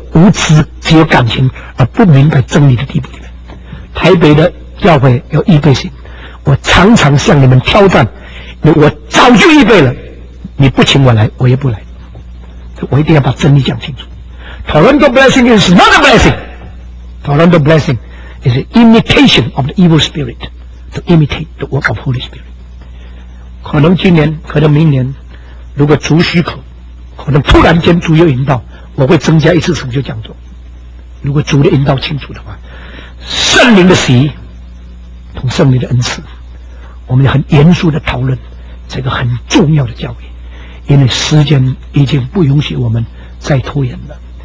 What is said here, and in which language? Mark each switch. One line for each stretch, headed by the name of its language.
Chinese: 无知，只有感情而不明白真理的地步。台北的教会有预备性，我常常向你们挑战，我早就预备了，你不请我来我也不来，我一定要把真理讲清楚。
English: Toronto blessing is not a blessing. Toronto blessing is an imitation of the evil spirit to imitate the work of Holy Spirit.
Chinese: 可能今年，可能明年，如果主许可，可能突然间主有引导，我会增加一次神学讲座。如果主的引导清楚的话，圣灵的洗同圣灵的恩赐，我们很严肃的讨论这个很重要的教义，因为时间已经不允许我们再拖延了。